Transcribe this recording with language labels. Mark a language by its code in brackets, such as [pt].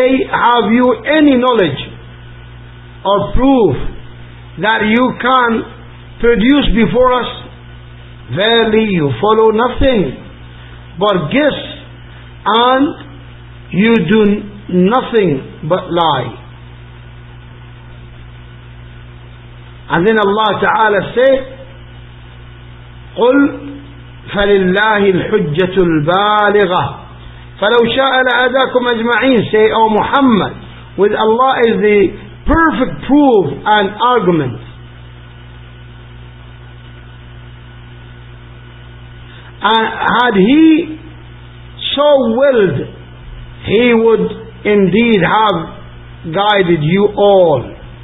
[en] have you any knowledge or proof that you can produce before us? Verily, you follow nothing but guess, and you do nothing but lie. And then Allah Ta'ala said, [ar] قُلْ فَلِلَّهِ الْحُجَّةُ الْبَالِغَةِ فَلَوْ شَاءَ لَأَدَاكُمْ أَجْمَعِينَ. [en] Say, O Muhammad, with Allah is the perfect proof and argument. Had he so willed, he would indeed have guided you all.